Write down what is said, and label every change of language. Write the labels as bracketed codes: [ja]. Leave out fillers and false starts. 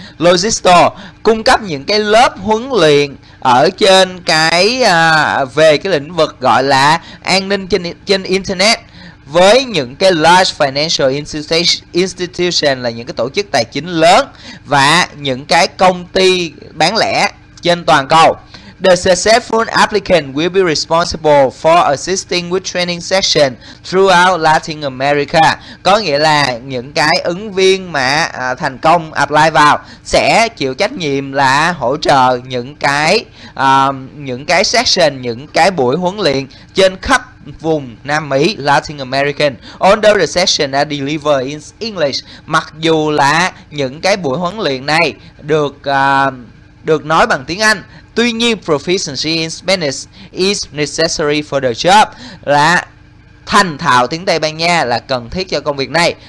[vi] Logisto cung cấp những cái lớp huấn luyện ở trên cái về cái lĩnh vực gọi là an ninh trên trên internet với những cái [en] large financial institution, [vi] là những cái tổ chức tài chính lớn và những cái công ty bán lẻ trên toàn cầu. [en] The successful applicant will be responsible for assisting with training session throughout Latin America. [vi] Có nghĩa là những cái ứng viên mà thành công apply vào sẽ chịu trách nhiệm là hỗ trợ những cái session, những cái buổi huấn luyện trên khắp vùng Nam Mỹ, Latin American. [en] Although the session are delivered in English, [vi] mặc dù là những cái buổi huấn luyện này được được nói bằng tiếng Anh, tuy nhiên [en] proficiency in Spanish is necessary for the job, [vi] là thành thạo tiếng Tây Ban Nha là cần thiết cho công việc này.